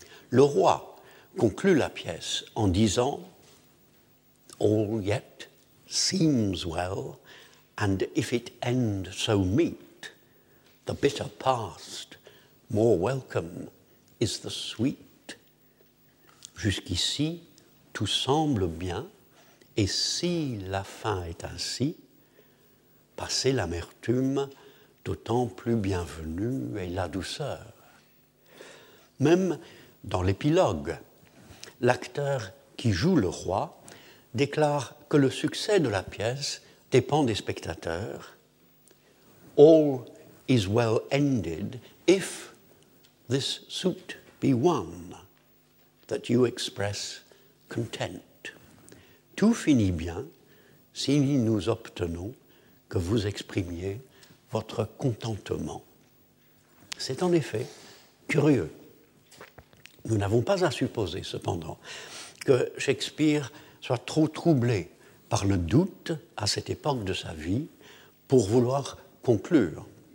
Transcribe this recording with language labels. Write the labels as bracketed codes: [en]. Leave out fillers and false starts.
[fr] Le roi conclut la pièce en disant « [en] All yet seems well, and if it end so meet, the bitter past, more welcome is the sweet. [fr] » Jusqu'ici, tout semble bien, et si la fin est ainsi, passez l'amertume, d'autant plus bienvenue est la douceur. Même dans l'épilogue, l'acteur qui joue le roi déclare que le succès de la pièce dépend des spectateurs. [en] All is well ended if this suit be won, that you express content. [fr] Tout finit bien si nous obtenons que vous exprimiez votre contentement. C'est en effet curieux. Nous n'avons pas à supposer, cependant, que Shakespeare soit trop troublé par le doute à cette époque de sa vie pour vouloir conclure.